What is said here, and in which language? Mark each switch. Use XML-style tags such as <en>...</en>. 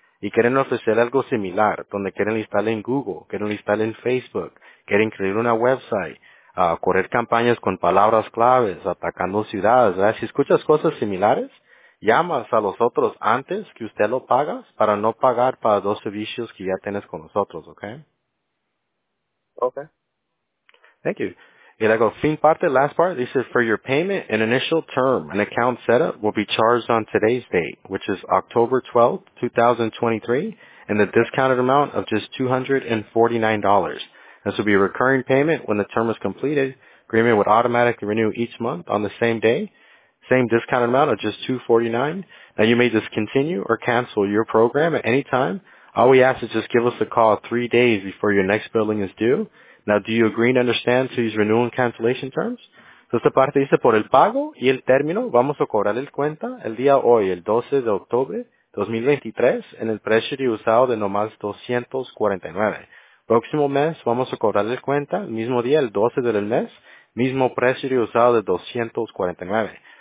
<es>y quieren ofrecer algo similar, donde quieren instalar en Google, quieren instalar en Facebook, quieren crear una website, correr campañas con palabras claves, atacando ciudades, ¿verdad? Si escuchas cosas similares, llamas a los otros antes que usted lo pagas para no pagar para dos servicios que ya tienes con nosotros, ¿ok?</es> <en>Ok. Thank you.</en> <es>Y luego, fin parte,</es> <en>last part, dice, for your payment, an initial term, an account setup will be charged on today's date, which is October 12th, 2023, and the discounted amount of just $249. This will be a recurring payment when the term is completed. Agreement would automatically renew each month on the same day. Same discounted amount of just $249. Now, you may discontinue or cancel your program at any time. All we ask is just give us a call 3 days before your next billing is due. Now, do you agree and understand to these renewal and cancellation terms?</en> <es>So, esta parte dice, por el pago y el término, vamos a cobrar el cuenta el día hoy, el 12 de octubre 2023, en el precio de usado de nomás $249. Próximo mes, vamos a cobrar el cuenta, el mismo día, el 12 del mes, mismo precio de usado de $249.</es>